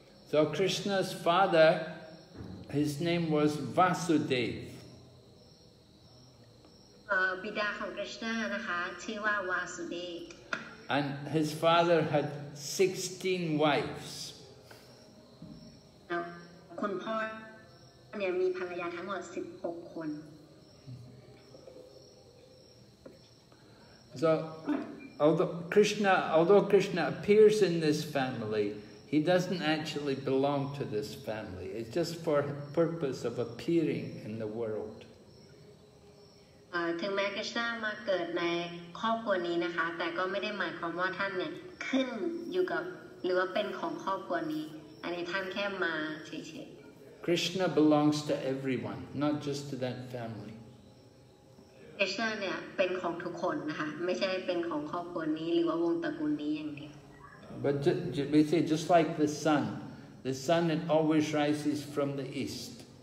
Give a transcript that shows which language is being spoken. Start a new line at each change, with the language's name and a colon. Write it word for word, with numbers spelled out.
English: So Krishna's father his name was Vasudev
Thai: เอ่อบิดาของคริชนานะคะชื่อว่าวาสุเดฟ
English: And his father had sixteen wives
Thai: แล้วคุณพ่อเนี่ยมีภรรยาทั้งหมดสิบหกคน
English: So, although Krishna, although Krishna appears in this family, he doesn't actually belong to this family. It's just for the purpose of appearing in the world.
Thai: ถึงแม้กฤษณะมาเกิดในครอบครัวนี้นะคะแต่ก็ไม่ได้หมายความว่าท่านเนี่ยขึ้นอยู่กับหรือว่าเป็นของครอบครัวนี้อันนี้ท่านแค่มาเฉยๆ
English: Krishna belongs to everyone, not just to that family.
Thai: กฤษณะเนี่ยเป็นของทุกคนนะคะไม่ใช่เป็นของครอบครัวนี้หรือว่าวงตระกูลนี้อย่างเดียว
English: But we say just like the sun, the sun it always rises from the east.